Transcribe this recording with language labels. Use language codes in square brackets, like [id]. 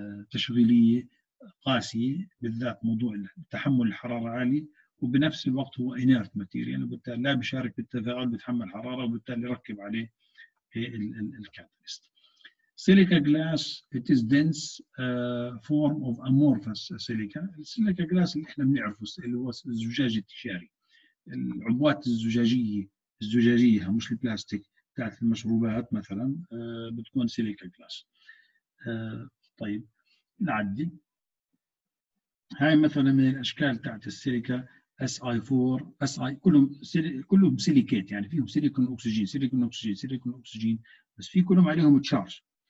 [ar] تشغيليه قاسيه، بالذات موضوع تحمل الحراره عالي، وبنفس الوقت هو انيرت ماتيريال، وبالتالي لا بيشارك بالتفاعل، بيتحمل حراره، وبالتالي يركب عليه الكاتاليست. [en] Silica glass, it is dense form of amorphous silica. [ar] السيليكا جلاس اللي احنا بنعرفه اللي هو الزجاج التجاري، العبوات الزجاجية مش البلاستيك بتاعت المشروبات مثلا، بتكون سيليكا جلاس. طيب نعدي، هاي مثلا من الأشكال بتاعت السيليكا SI4 SI، كلهم سيليكات، يعني فيهم سيليكون أكسجين سيليكون أكسجين سيليكون أكسجين، بس في كلهم عليهم تشارج.